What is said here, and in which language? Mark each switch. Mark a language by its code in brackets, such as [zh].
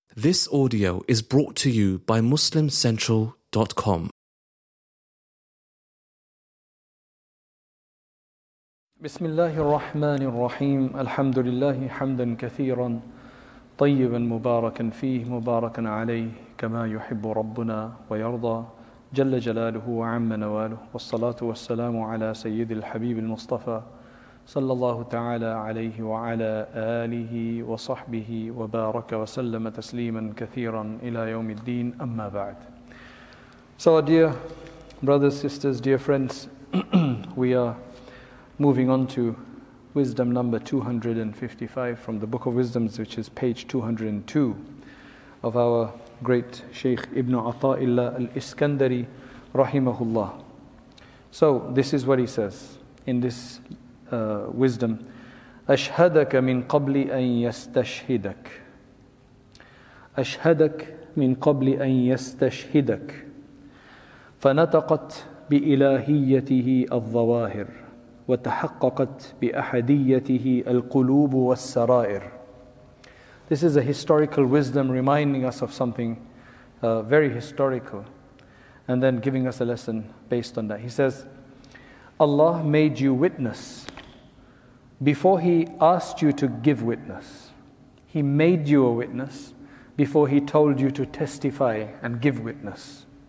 [en] This audio is brought to you by MuslimCentral.com. [ar] بسم الله الرحمن الرحيم الحمد لله حمدا كثيرا طيبا مباركا فيه مباركا عليه كما يحب ربنا ويرضى جل جلاله وعم نواله والصلاة والسلام على سيد الحبيب المصطفى صلى الله تعالى عليه وعلى آله وصحبه وبارك وسلم تسليما كثيرا إلى يوم الدين أما بعد. [en] So our dear brothers, sisters, dear friends, we are moving on to wisdom number 255 from the Book of Wisdoms, which is page 202 of our great Shaykh Ibn Ata'illah al-Iskandari rahimahullah. So this is what he says in this wisdom. [ar] أشهدك من قبل أن يستشهدك. أشهدك من قبل أن يستشهدك. فنطقت بإلهيته الظواهر وتحققت بأحديته القلوب والسرائر. [en] This is a historical wisdom reminding us of something very historical and then giving us a lesson based on that. He says, Allah made you witness before He asked you to give witness. He made you a witness before He told you to testify and give witness.